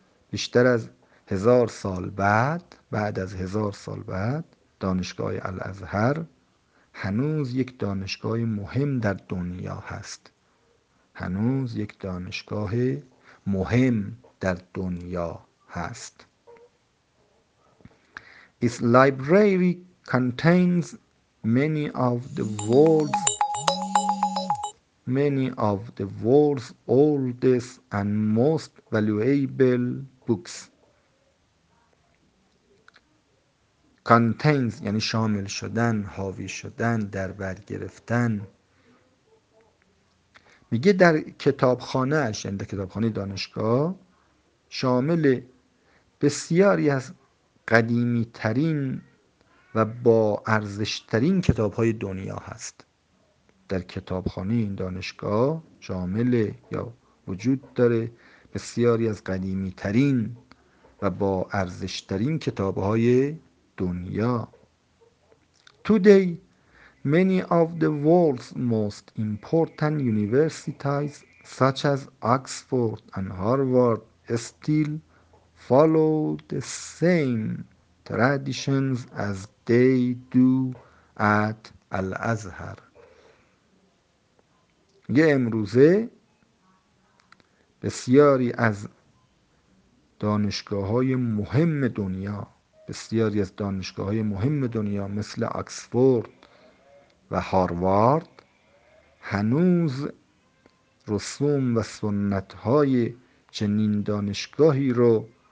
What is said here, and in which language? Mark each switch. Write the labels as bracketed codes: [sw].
[fa] بیشتر از 1,000 سال بعد، بعد از 1,000 سال بعد، دانشگاه الازهر هنوز یک دانشگاه مهم در دنیا هست. هنوز یک دانشگاه مهم در دنیا هست. [en] Its library contains many of the world's oldest and most valuable books. [fa] Contains یعنی شامل شدن، حاوی شدن، در بر گرفتن. میگه در کتابخانه‌اش، یعنی در کتابخانه دانشگاه، شامل بسیاری از قدیمی ترین و با ارزش ترین کتاب های دنیا هست. در کتابخانه این دانشگاه شامل یا وجود داره بسیاری از قدیمی ترین و با ارزش ترین کتاب های دنیا. [en] Today many of the world's most important universities such as Oxford and Harvard still follow the same traditions as they do at Al-Azhar. [fa] یه امروزه بسیاری از دانشگاه‌های مهم دنیا، بسیاری از دانشگاه‌های مهم دنیا مثل اکسفورد و هاروارد هنوز رسوم و سنت‌های چنین دانشگاهی رو